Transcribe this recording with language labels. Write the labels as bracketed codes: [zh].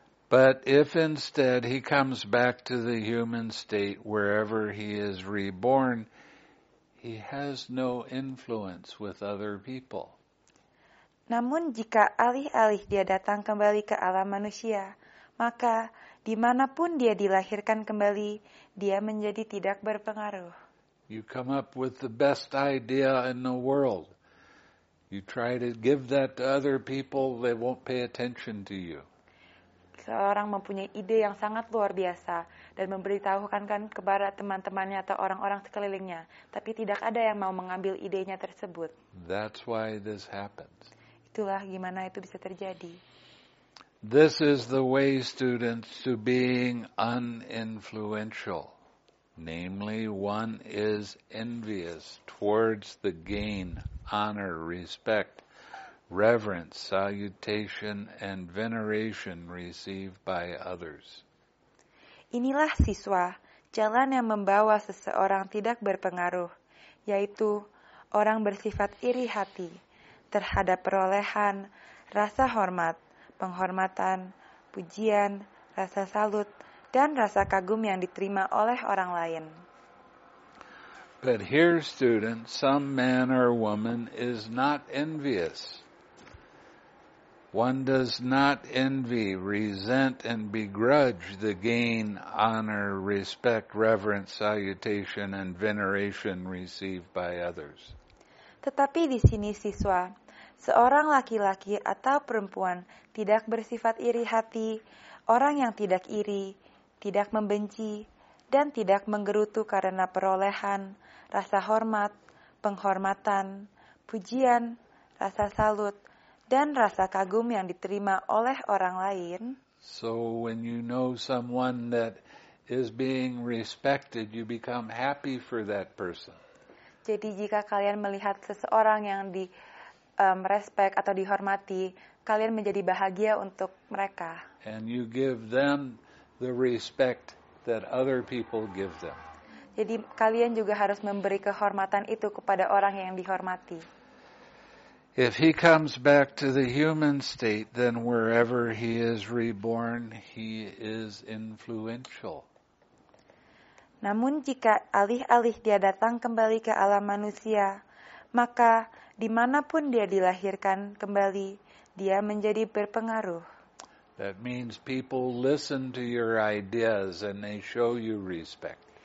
[en] But if instead he comes back to the human state wherever he is reborn, he has no influence with other people. [id] Namun jika alih-alih dia datang kembali ke alam manusia, maka dimanapun dia dilahirkan kembali, dia menjadi tidak berpengaruh. [en] You come up with the best idea in the world. You try to give that to other people, they won't pay attention to you. [id] Seorang mempunyai ide yang sangat luar biasa dan memberitahukan kepada teman-temannya atau orang-orang sekelilingnya, tapi tidak ada yang mau mengambil idenya tersebut. [en] That's why this happens. [id] Itulah gimana itu bisa terjadi. [en] This is the way, students, to being uninfluential. Namely, one is envious towards the gain, honor, respect, reverence, salutation, and veneration received by others. [id] Inilah, siswa, jalan yang membawa seseorang tidak berpengaruh, yaitu orang bersifat iri hati terhadap perolehan, rasa hormat, penghormatan, pujian, rasa salut, dan rasa kagum yang diterima oleh orang lain. [en] But here, student, some man or woman is not envious. One does not envy, resent, and begrudge the gain, honor, respect, reverence, salutation, and veneration received by others. [id] Tetapi di sini, siswa, seorang laki-laki atau perempuan tidak bersifat iri hati, orang yang tidak iri, tidak membenci, dan tidak menggerutu karena perolehan, rasa hormat, penghormatan, pujian, rasa salut, dan rasa kagum yang diterima oleh orang lain. [en] So when you know someone that is being respected, you become happy for that person. [id] Jadi jika kalian melihat seseorang yang di respect atau dihormati, kalian menjadi bahagia untuk mereka. [en] And you give them the respect that other people give them. [id] Jadi kalian juga harus memberi kehormatan itu kepada orang yang dihormati. [en] If he comes back to the human state, then wherever he is reborn, he is influential. [id] Namun jika alih-alih dia datang kembali ke alam manusia, maka dimanapun dia dilahirkan kembali, dia menjadi berpengaruh. [en] That means people listen to your ideas and they show you respect.